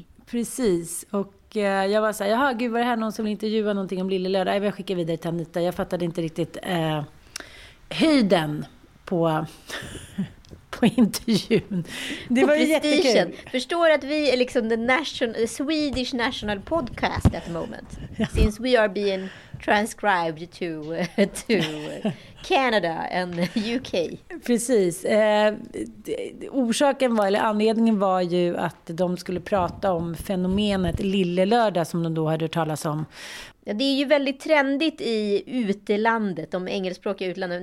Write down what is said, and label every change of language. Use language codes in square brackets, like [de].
[sv] Precis, och jag var såhär, jaha gud, var det här någon som vill intervjua någonting om Lille Lördag? Jag skickar vidare till Anita. Jag fattade inte riktigt höjden på intervjun. Det var jättekul. Förstår att vi är liksom [en] the national, Swedish national podcast at the moment. [sv] Ja. [en] Since we are being transcribed to Canada and UK. [sv] Precis. Orsaken var, eller anledningen var ju att de skulle prata om fenomenet Lille Lördag som de då hade hört talas om. Ja, det är ju väldigt trendigt i utlandet, de engelskspråkiga utlandet.